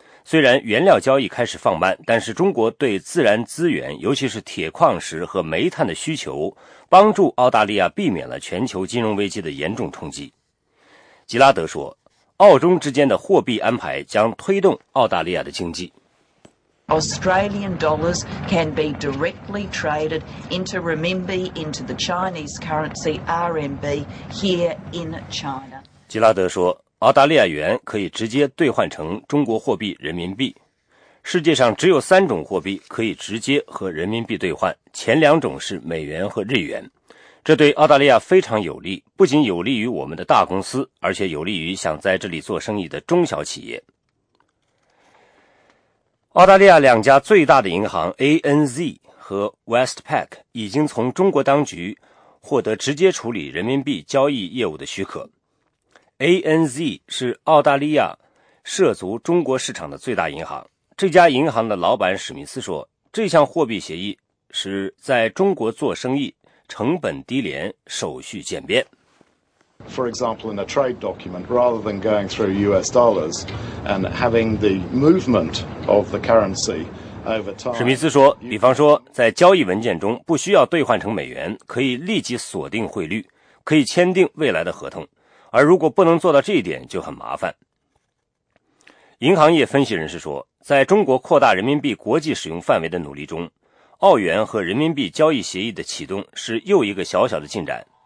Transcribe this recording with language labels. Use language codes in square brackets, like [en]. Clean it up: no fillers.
[zh] 虽然原料交易开始放慢，但是中国对自然资源，尤其是铁矿石和煤炭的需求，帮助澳大利亚避免了全球金融危机的严重冲击。吉拉德说，澳中之间的货币安排将推动澳大利亚的经济。 [en] Australian dollars can be directly traded into renminbi, into the Chinese currency RMB here in China. [zh] 吉拉德说，澳大利亚元可以直接兑换成中国货币人民币。世界上只有三种货币可以直接和人民币兑换，前两种是美元和日元。这对澳大利亚非常有利，不仅有利于我们的大公司，而且有利于想在这里做生意的中小企业。澳大利亚两家最大的银行 ANZ 和 Westpac 已经从中国当局获得直接处理人民币交易业务的许可。 ANZ 是澳大利亚涉足中国市场的最大银行。这家银行的老板史密斯说，这项货币协议使在中国做生意成本低廉，手续简便。 [en] For example, in a trade document, rather than going through US dollars and having the movement of the currency over time. [zh] 史密斯说，比方说在交易文件中不需要兑换成美元，可以立即锁定汇率，可以签订未来的合同。而如果不能做到这一点就很麻烦。银行业分析人士说，在中国扩大人民币国际使用范围的努力中，澳元和人民币交易协议的启动是又一个小小的进展。